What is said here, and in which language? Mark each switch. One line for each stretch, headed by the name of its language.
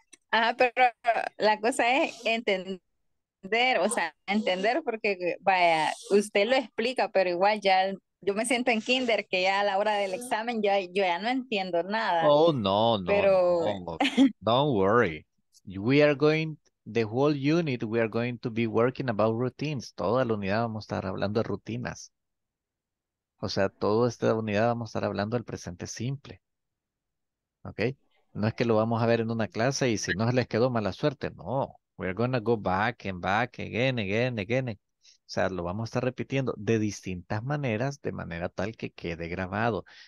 Spanish: Ajá, pero la cosa es entender, o sea, entender, porque vaya, usted lo explica, pero igual ya yo me siento en kinder, que ya a la hora del examen yo ya no entiendo nada. Oh, no, no, pero...
English: no, don't worry, we are going, the whole unit, we are going to be working about routines.
Spanish: Toda la unidad vamos a estar hablando de rutinas, o sea, toda esta unidad vamos a estar hablando del presente simple, ok. No es que lo vamos a ver en una clase y si no les quedó mala suerte.
English: No, we're gonna go back and back again, again, again.
Spanish: O sea, lo vamos a estar repitiendo de distintas maneras, de manera tal que quede grabado.